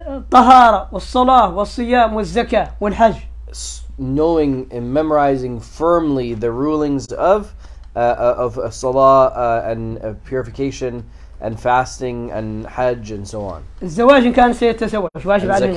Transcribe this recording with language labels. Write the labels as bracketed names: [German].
[Arabic] tahara, والصلاه والصيام والزكاه والحج. [English] Knowing and memorizing firmly the rulings of salah and purification and fasting and hajj and so on. [Arabic] الزواج إن كان سيتزوج واجب عليه.